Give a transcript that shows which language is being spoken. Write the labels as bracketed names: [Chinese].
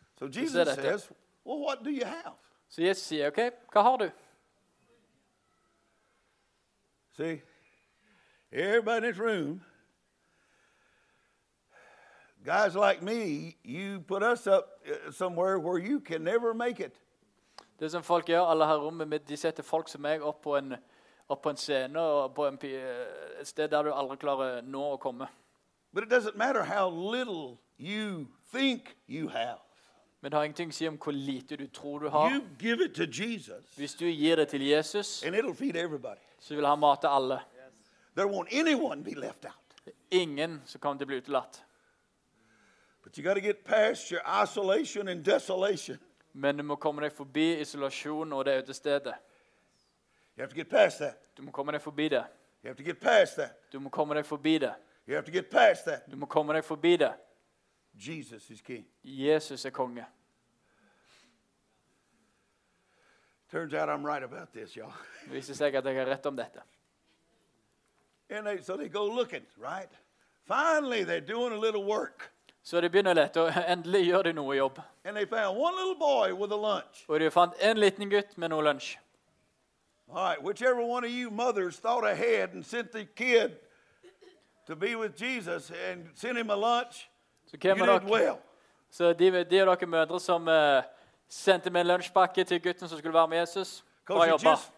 [English] So Jesus says, well, what do you have? [Norwegian] Så Jesus sier, okay, hva har du? [English] See, everybody in this room, guys like me, you put us up somewhere where you can never make it. [Norwegian] Det som folk gjør, alle her rommet mitt, de setter folk som meg opp på en scene og på en sted der du aldri klarer nå å komme. [English] But it doesn't matter how little you think you have. [Norwegian] Men det har ingenting å si om hvor lite du tror du har. [English] You give it to Jesus. [Norwegian] Hvis du gir det til Jesus, [English] and it'll feed everybody. [Norwegian] Så vil han mate alle. [English] There won't anyone be left out. [Norwegian] Ingen som kommer til å bli utelatt. [English] But you got to get past your isolation and desolation. [Norwegian] Men du må komme deg forbi isolasjon og det øde stedet. [English] You have to get past that. [Norwegian] Du må komme deg forbi det. [English] You have to get past that. [Norwegian] Du må komme deg forbi det. [English] You have to get past that. [Norwegian] Du må komme deg forbi det. [English] Jesus is king. [Norwegian] Jesus er konge. [English] Turns out I'm right about this, y'all. [Norwegian] Det viser seg at jeg har rett om dette. [English] And they, so they go looking, right? Finally, they're doing a little work. [Norwegian] Så de begynner lett, og endelig gjør de noe jobb. [English] And they found one little boy with a lunch. [Norwegian] Og de fant en liten gutt med noe lunch. [English] All right, whichever one of you mothers thought ahead and sent the kid to be with Jesus and sent him a lunch, so you did well. [Norwegian] Så de av dere mødre som sendte med en lunsjpakke til gutten som skulle være med Jesus, bra jobba.